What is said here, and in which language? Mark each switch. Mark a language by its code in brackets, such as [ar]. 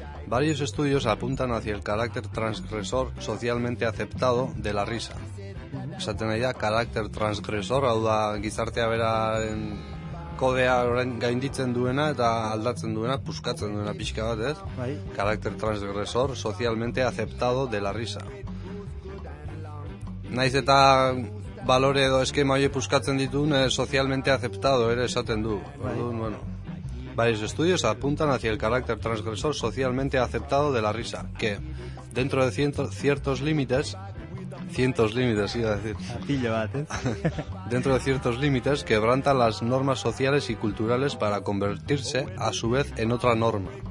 [es] Varios estudios apuntan hacia el carácter transgresor socialmente aceptado de la risa. [eu] Esaten nahi da, [es] carácter transgresor, [eu] hau da, gizartea beraren kodea gainditzen duena eta aldatzen duena, puskatzen duena pixka bat, ez? Bai. [es] Carácter transgresor socialmente aceptado de la risa. [eu] Naiz eta balore edo eskema hori puskatzen ditun, [es] socialmente aceptado [eu] ere esaten du. Bai. [es] Orduan, bueno, varios estudios apuntan hacia el carácter transgresor socialmente aceptado de la risa, que dentro de ciertos límites, iba a decir. [eu] A pillo bat, ¿eh? [es] Dentro de ciertos límites, quebranta las normas sociales y culturales para convertirse, a su vez, en otra norma.